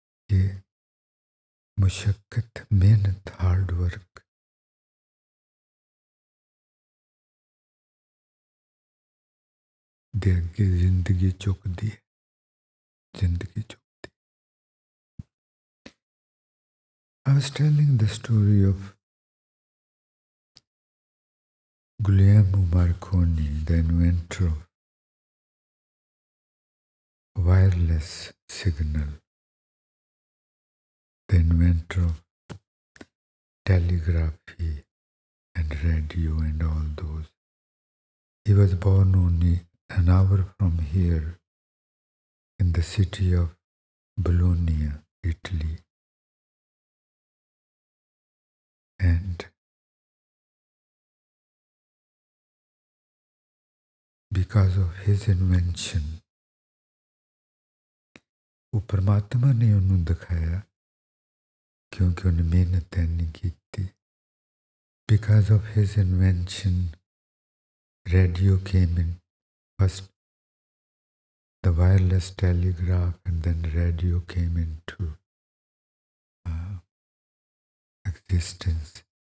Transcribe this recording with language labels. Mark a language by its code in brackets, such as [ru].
[pa] ਜੇ ਮੁਸ਼ਕਤ, ਮਿਹਨਤ, hard work ਦੇ ਅੱਗੇ ਜ਼ਿੰਦਗੀ ਚੁੱਕਦੀ ਹੈ, ਜ਼ਿੰਦਗੀ ਚੁੱਕ। [en] I was telling the story of Guglielmo Marconi, the inventor of wireless signal, the inventor of telegraphy and radio and all those. He was born only an hour from here in the city of Bologna, Italy. And because of his invention, [pa] ਉਹ ਪਰਮਾਤਮਾ ਨੇ ਉਹਨੂੰ ਦਿਖਾਇਆ, ਕਿਉਂਕਿ ਉਹਨੇ ਮਿਹਨਤ ਇੰਨੀ ਕੀਤੀ। [en] Because of his invention, radio came in first, the wireless telegraph, and then radio came into existence.